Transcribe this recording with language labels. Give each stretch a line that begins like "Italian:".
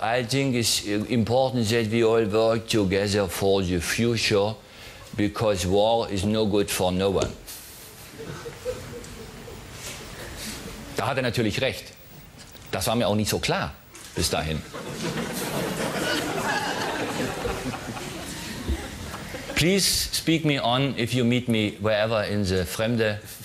English: I think it's important that we all work together for the future, because war is no good for no one.
German: Da hat er natürlich recht. Das war mir auch nicht so klar bis dahin.
English: Please speak me on if you meet me wherever in the fremde.